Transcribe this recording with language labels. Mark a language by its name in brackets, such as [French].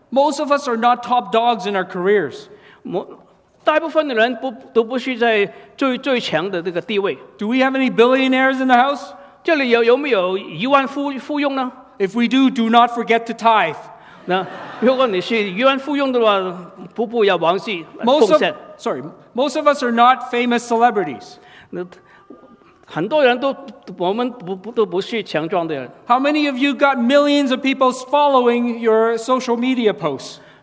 [English] Most of us are not top dogs in our careers. [Chinese] 大部分的人都不是在最强的这个地位。 [English] Do we have any billionaires in the house? [Chinese] 这里有没有亿万富翁呢? [English] If we do, do not forget to tithe. [Chinese] 那如果你是亿万富翁的话，不要忘记奉献。 [English] Sorry, most of us are not famous celebrities. [Chinese] 很多人都我们都不是强壮的人。 [English] How many of you got millions of people following your social media posts?